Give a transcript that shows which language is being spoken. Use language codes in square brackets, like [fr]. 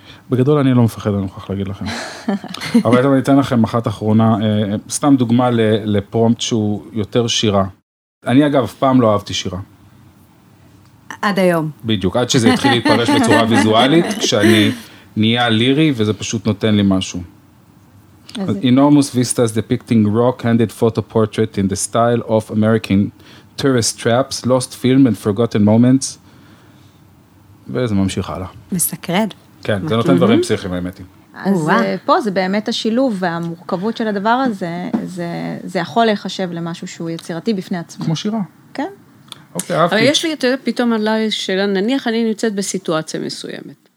[he] בגדול אני לא מפחד, אני מוכרח להגיד לכם. אבל אני אתן לכם אחת אחרונה, סתם דוגמה לפרומט שהוא יותר שירה. אני אגב, פעם לא אהבתי שירה. עד היום. בדיוק, עד שזה התחיל להתפרש בצורה ויזואלית, כשאני נהיה לירי, וזה פשוט נותן לי משהו. [en] Enormous vistas depicting rock-handed photo portrait in the style of American tourist traps, lost film and forgotten moments. [he] וזה ממשיך הלאה. מסקרד. כן, זה נותן דברים פסיכיים, האמת היא. אז פה זה באמת השילוב והמורכבות של הדבר הזה, זה יכול להיחשב למשהו שהוא יצירתי בפני עצמו. כמו שירה. כן. אוקיי, אבל יש לי, אתה יודע, פתאום עליי שאלה, נניח אני נמצאת בסיטואציה מסוימת.